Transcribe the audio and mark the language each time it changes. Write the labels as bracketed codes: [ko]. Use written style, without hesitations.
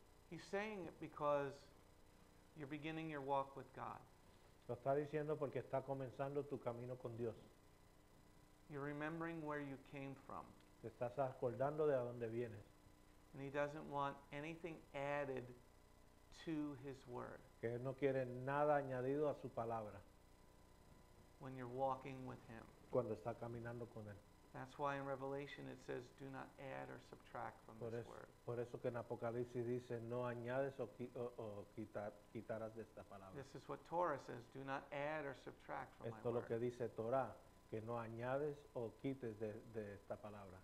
[en] He's saying it because you're beginning your walk with God. [es] Lo está diciendo porque está comenzando tu camino con Dios. [en] You're remembering where you came from. [es] Te estás acordando de a dónde vienes. [en] And he doesn't want anything added to his word. [es] Que él no quiere nada añadido a su palabra. [en] When you're walking with him. [es] Cuando está caminando con él. [en] That's why in Revelation it says, do not add or subtract from [es] por [en] this [es] eso, [en] word. [es] Por eso que en Apocalipsis dice, no añades o quitarás de esta palabra. [en] This is what Torah says, do not add or subtract from [es] esto [en] my word. [es] Esto es lo que dice Torah, que no añades o quites de esta palabra.